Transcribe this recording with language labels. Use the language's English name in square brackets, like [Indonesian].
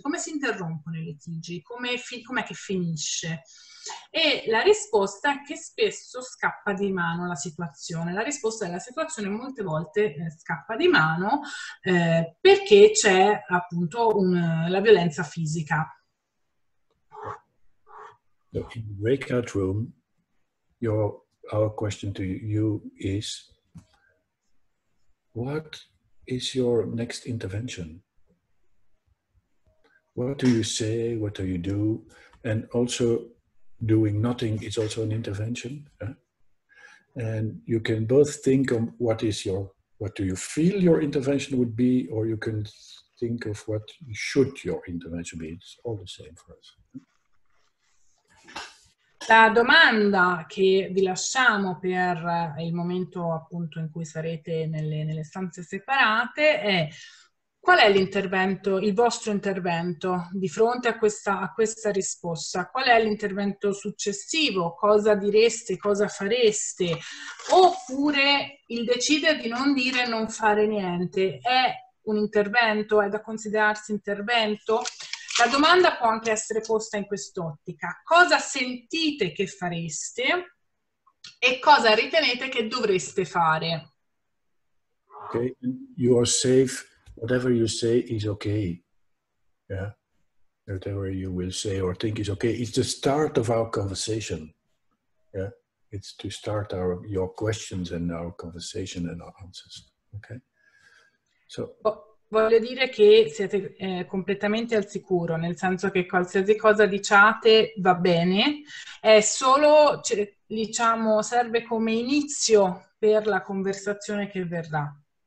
[Italian] Come si interrompono i litigi? Com'è che finisce? E la risposta è che spesso scappa di mano la situazione. La risposta è che la situazione molte volte scappa di mano perché c'è appunto la violenza fisica. [English] So in the breakout room, our question to you is, what is your next intervention? What do you say? What do you do? And also, doing nothing is also an intervention. And you can both think of what do you feel your intervention would be, or you can think of what should your intervention be. It's all the same for us. [Italian] La domanda che vi lasciamo per il momento appunto in cui sarete nelle stanze separate è: qual è l'intervento, il vostro intervento di fronte a questa risposta? Qual è l'intervento successivo? Cosa direste? Cosa fareste? Oppure il decidere di non dire e non fare niente è un intervento? È da considerarsi intervento? La domanda può anche essere posta in quest'ottica. Cosa sentite che fareste e cosa ritenete che dovreste fare? [English] Ok, you are safe. Whatever you say is okay, yeah? Whatever you will say or think is okay. It's the start of our conversation, yeah? It's to start your questions and our conversation and our answers, okay? So, [Italian] voglio dire che siete completamente al sicuro, nel senso che qualsiasi cosa diciate va bene, è solo, diciamo, serve come inizio per la conversazione che verrà.